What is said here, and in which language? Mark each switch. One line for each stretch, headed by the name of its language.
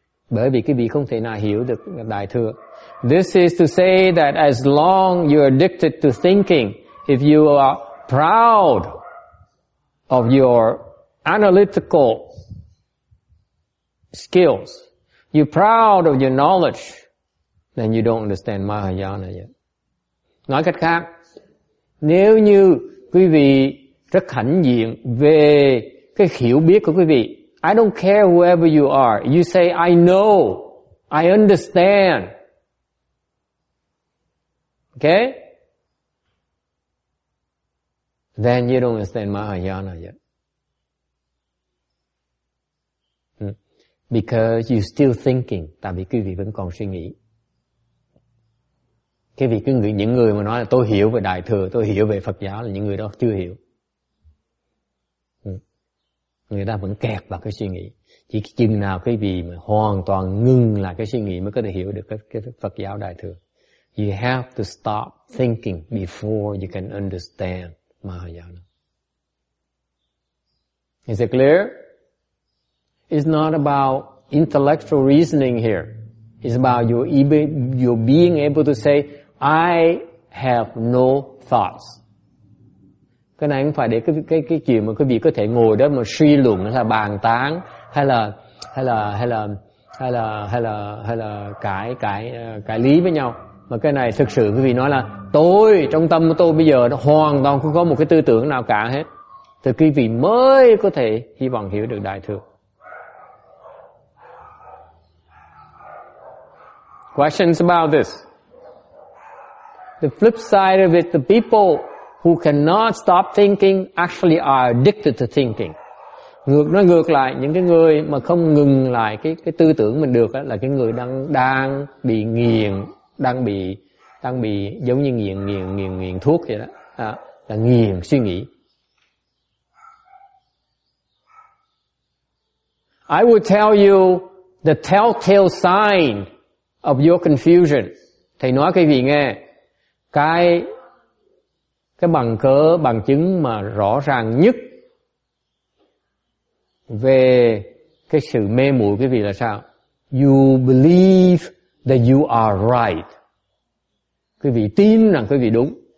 Vietnamese: Bởi vì cái vị không thể nào hiểu được đại thừa.
English: This is to say that as long you are addicted to thinking, if you are proud of your analytical skills, you're proud of your knowledge, then you don't understand Mahayana yet.
Vietnamese: Nói cách khác, nếu như quý vị rất hãnh diện về cái hiểu biết của quý vị,
English: I don't care whoever you are. You say, I know. I understand. Okay? Then you don't understand Mahayana yet. Because you're still thinking.
Vietnamese: Tại vì quý vị vẫn còn suy nghĩ. Cái vị, những người mà nói là tôi hiểu về Đại Thừa, tôi hiểu về Phật giáo là những người đó chưa hiểu. Người ta vẫn kẹt vào cái suy nghĩ. Chỉ chừng nào cái gì mà hoàn toàn ngừng lại cái suy nghĩ mới có thể hiểu được cái Phật giáo Đại Thừa.
English: You have to stop thinking before you can understand Mahayana. Is it clear? It's not about intellectual reasoning here. It's about your being able to say, I have no thoughts.
Vietnamese: Cái này không phải để cái chuyện mà quý vị có thể ngồi đó mà suy luận hay là bàn tán hay là cãi lý với nhau, mà cái này thực sự quý vị nói là tôi, trong tâm của tôi bây giờ nó hoàn toàn không có một cái tư tưởng nào cả hết, thì quý vị mới có thể hy vọng hiểu được đại thừa.
English: Questions about this? The flip side of it, the people who cannot stop thinking actually are addicted to thinking.
Vietnamese: Ngược nói ngược lại, những cái người mà không ngừng lại cái tư tưởng mình được là cái người đang bị nghiện, đang bị giống như nghiện thuốc vậy đó. À, là nghiền suy nghĩ.
English: I would tell you the telltale sign of your confusion.
Vietnamese: Thầy nói quý vị nghe, cái bằng cớ, bằng chứng mà rõ ràng nhất về cái sự mê muội quý vị là sao?
English: You believe that you are right.
Vietnamese: Quý vị tin rằng quý vị đúng.